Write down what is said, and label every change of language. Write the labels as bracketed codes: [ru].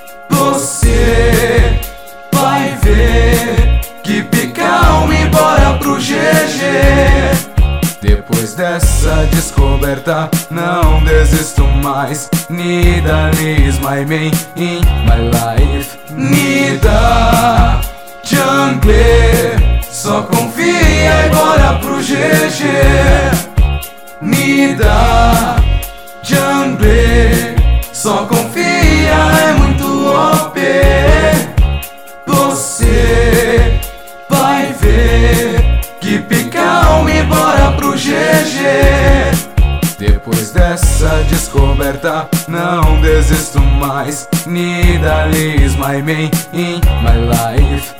[pt] Você vai ver. [en] Keep calm [pt] e bora pro GG. Depois dessa descoberta, não desisto mais. [en] Nida is my main in my life. [pt] Nida Jungler, só confia e bora pro GG. Nida Jungler, só confia, é muito OP. Você vai ver. Keep calm e bora pro GG. Depois dessa descoberta, não desisto mais. [en] Nida is my main in my life.